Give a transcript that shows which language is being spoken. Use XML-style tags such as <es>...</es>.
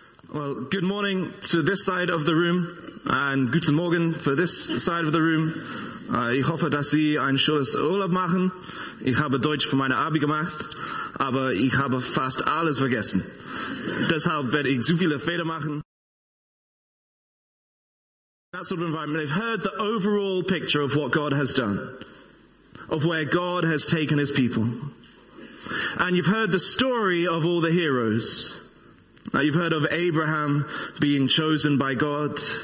<en>Well, good morning to this side of the room, and</en> <de>guten Morgen</de> <en>for this side of the room.</en> <de>Ich hoffe, dass Sie ein schönes Urlaub machen. Ich habe Deutsch für meine Abi gemacht, aber ich habe fast alles vergessen. Deshalb werde ich zu viele Fehler machen.</de> <en>That sort of environment. They've heard the overall picture of what God has done, of where God has taken his people. And you've heard the story of all the heroes. Now you've heard of Abraham being chosen by God.</en>